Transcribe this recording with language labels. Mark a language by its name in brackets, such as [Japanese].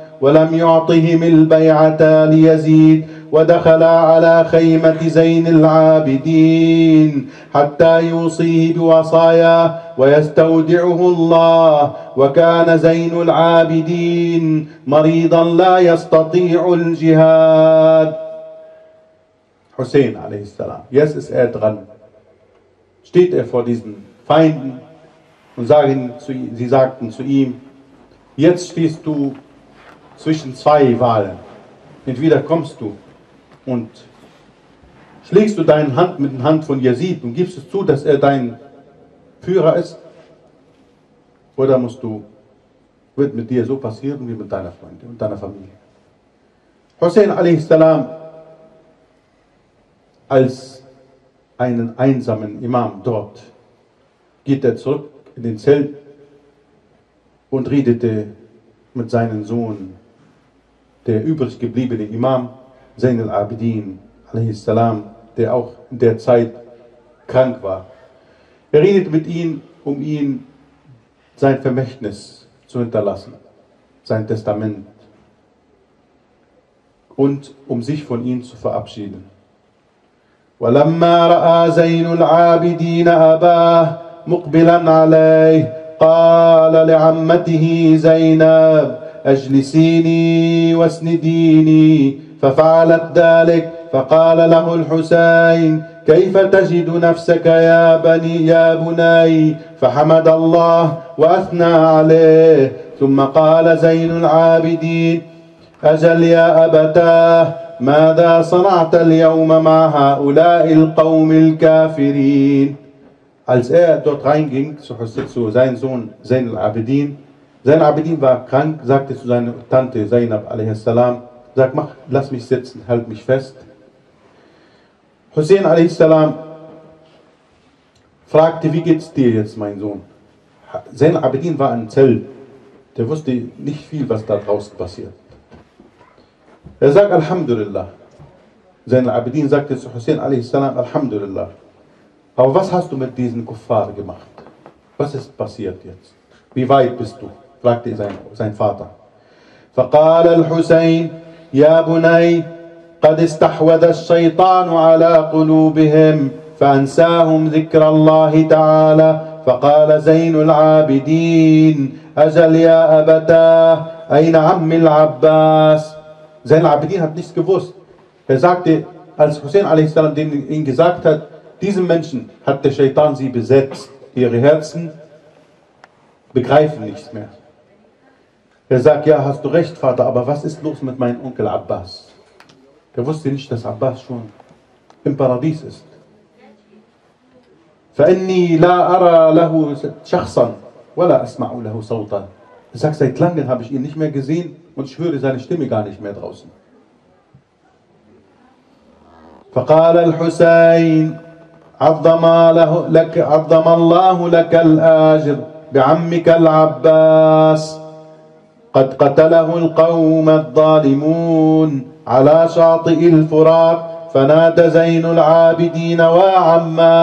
[Arabic] ولم يعطهم البيعة ليزيد ودخل على خيمة زين العابدين حتى يوصيه بوصايا ويستودعه الله وكان زين العابدين مريضا لا يستطيع الجهاد. [German] Hussein a.s. Jetzt ist er dran. Steht er vor diesen Feinden und sie sagten zu ihm, jetzt stehst du zwischen zwei Wahlen. Entweder kommst du und schlägst du deine Hand mit der Hand von Yazid und gibst es zu, dass er dein Führer ist, oder wird mit dir so passieren wie mit deiner Freundin und deiner Familie. Hussein a.s. als einen einsamen Imam dort, geht er zurück in den Zelt und redete mit seinem Sohn, der übrig gebliebene Imam, Zain al-Abidin, a.s., der auch in der Zeit krank war. Er redet mit ihm, um ihm sein Vermächtnis zu hinterlassen, sein Testament, und um sich von ihm zu verabschieden. [Arabic] ولما رأى زين العابدين أباه مقبلا عليه قال لعمته زينب أجلسيني واسنديني ففعلت ذلك فقال له الحسين كيف تجد نفسك يا بني يا بني فحمد الله وأثنى عليه ثم قال زين العابدين أجل يا أبتاه ماذا صنعت اليوم مع هؤلاء القوم الكافرين؟ [German] Als er dort reinging zu seinem Sohn Zain al-Abidin, Zain al-Abidin war krank, sagte zu seiner Tante Zainab a.s., sag, mach, lass mich sitzen, halt mich fest. Hussein a.s. fragte, wie geht's dir jetzt, mein Sohn? Zain al-Abidin war im Zelt, der wusste nicht viel, was da draußen passiert. Er sagt, Alhamdulillah. Zain al-Abidin sagte zu Hussein a.s., Alhamdulillah. Aber was hast du mit diesen Kuffar gemacht? Was ist passiert jetzt? Wie weit bist du? Fragte sein Vater. [Arabic] فقال الحسين يا بني قد استحوذ الشيطان على قلوبهم فأنساهم ذكر الله تعالى فقال زين العابدين أجل يا أبتاه أين عم العباس؟ [German] Zain al-Abidin hat nichts gewusst. Er sagte, als Hussein a.s. ihnen gesagt hat, diesen Menschen hat der Shaitan sie besetzt. Ihre Herzen begreifen nichts mehr. Er sagt, ja, hast du recht, Vater, aber was ist los mit meinem Onkel Abbas? Er wusste nicht, dass Abbas schon im Paradies ist. [Arabic] فَإِنِّي لَا أَرَى لَهُ شَخْصًا وَلَا أَسْمَعُ لَهُ صَوْتًا. [German] Er sagt, seit langem habe ich ihn nicht mehr gesehen und ich höre seine Stimme gar nicht mehr draußen. [Arabic] فقال الحسين عظم الله لك الأجر بعمك العباس قد قتله القوم الظالمون على شاطئ الفرات فنادى زين العابدين وعماه